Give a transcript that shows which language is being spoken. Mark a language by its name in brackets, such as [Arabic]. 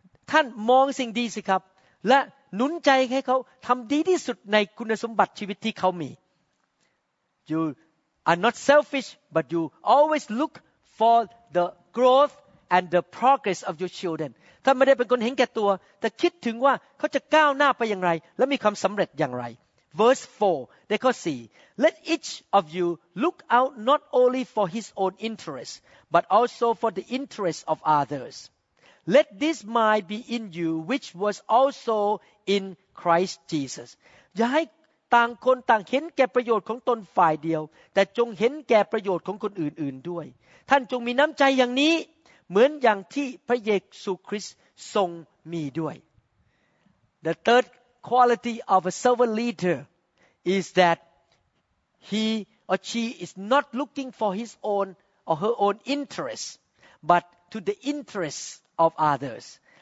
[Thai] ท่านมองสิ่งดีสิครับและหนุนใจให้เขาทำดีที่สุดในคุณสมบัติชีวิตที่เขามี [English] You are not selfish, but you always look for the growth and the progress of your children. [Thai] ท่านไม่ได้เป็นคนเห็นแก่ตัวแต่คิดถึงว่าเขาจะก้าวหน้าไปอย่างไรและมีความสำเร็จอย่างไร Verse 4, ในข้อ 4, [English] Let each of you look out not only for his own interests,but also for the interests of others. Let this mind be in you, which was also in Christ Jesus. [Thai] อย่าให้ต่างคนต่างเห็นแก่ประโยชน์ของตนฝ่ายเดียวแต่จงเห็นแก่ประโยชน์ของคนอื่นๆด้วยท่านจงมีน้ำใจอย่างนี้เหมือนอย่างที่พระเยซูคริสต์ทรงมีด้วย [English] The third quality of a servant leader is that he or she is not looking for his ownor her own interests, but to the interests of others.